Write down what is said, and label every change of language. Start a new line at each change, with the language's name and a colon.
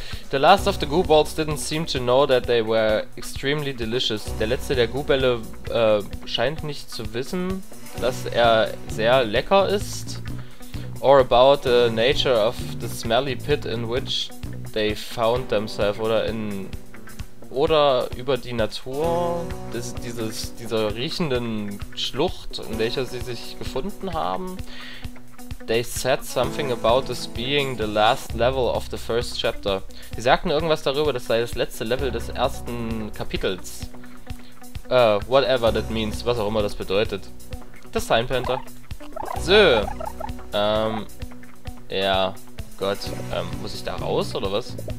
English: The last of the Goo Balls didn't seem to know that they were extremely delicious.
German: Der letzte der Goo-Bälle scheint nicht zu wissen, dass er sehr lecker ist.
English: Or about the nature of the smelly pit in which they found themselves.
German: Oder über die Natur dieser riechenden Schlucht, in welcher sie sich gefunden haben.
English: They said something about this being the last level of the first chapter.
German: Sie sagten irgendwas darüber, das sei das letzte Level des ersten Kapitels.
English: Whatever that means,
German: was auch immer das bedeutet. Das Sign Painter. So. Ja. Gott. Muss ich da raus oder was?